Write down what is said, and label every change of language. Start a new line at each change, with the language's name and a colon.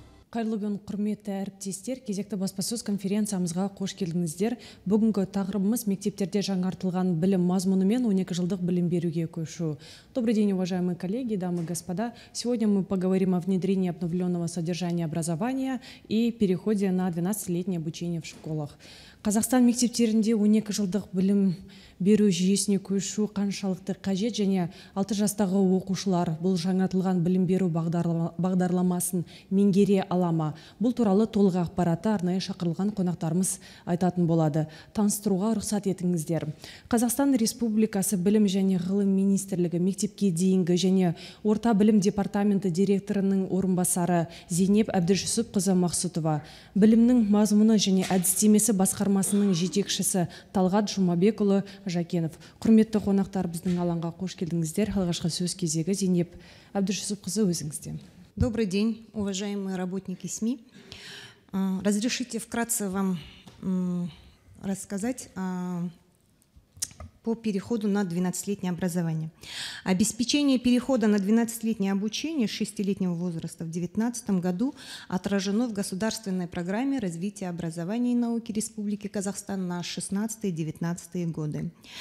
Kazakh: қайырлы күн, құрметті әріптестер. Кезекті баспасөз конференциямызға қош келдіңіздер. Бүгінгі тағырыбымыз мектептерде жаңартылған білім мазмұны мен 12 жылдық білім беруге көшу.
Russian: Добрый день, уважаемые коллеги, дамы и господа. Сегодня мы поговорим о внедрении обновленного содержания образования и переходе на 12-летнее обучение в школах.
Kazakh: Қазақстан мектептерінде 12 жылдық білім беру жүйесіне көшу қаншалықты қажет және 6 жастағы оқушылар бұл жаңартылған білім беру бағдарламасын меңгере ала ма? Бұл туралы толық ақпаратты арнайы шақырылған қонақтарымыз айтатын болады. Таныстыруға рұқсат етіңіздер. Қазақстан Республикасы білім және ғылым министрлігі мектепке дейінгі және орта білім департаменті директорының орынбасары Зейнеп Әбдіжүсіпқызы Мақсұтова, білімнің мазмұны және әдістемесі басқармасының жетекшісі Талғат Жұмабекұлы Жакенов. Құрметті қонақтар, біздің алаңға қош келдіңіздер. Алғашқы сөз кезегі Зейнеп Әбдіжүсіпқызы өзіңізде.
Russian: Добрый день, уважаемые работники СМИ. Разрешите вкратце вам рассказать по переходу на 12-летнее образование. Обеспечение перехода на 12-летнее обучение 6-летнего возраста в 2019 году отражено в государственной программе развития образования и науки Республики Казахстан на 16-19 годы.